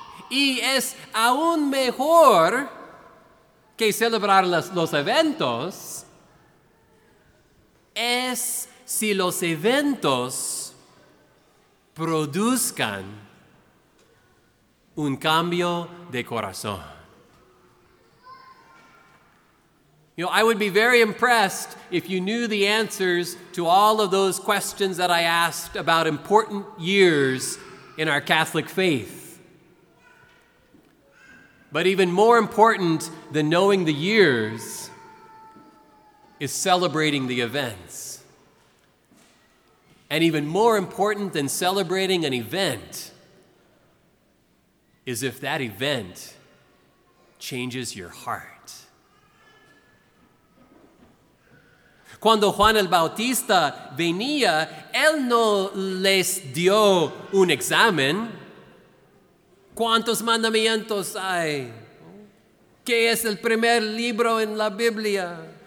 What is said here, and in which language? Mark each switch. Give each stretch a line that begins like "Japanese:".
Spanish: Y es aún mejor que celebrar los eventos, es si los eventos produzcan un cambio de corazón.
English: You know, I would be very impressed if you knew the answers to all of those questions that I asked about important years in our Catholic faith. But even more important than knowing the years is celebrating the events. And even more important than celebrating an event is if that event changes your heart.
Spanish: Cuando Juan el Bautista venía, él no les dio un examen. ¿Cuántos mandamientos hay? ¿Qué es el primer libro en la Biblia?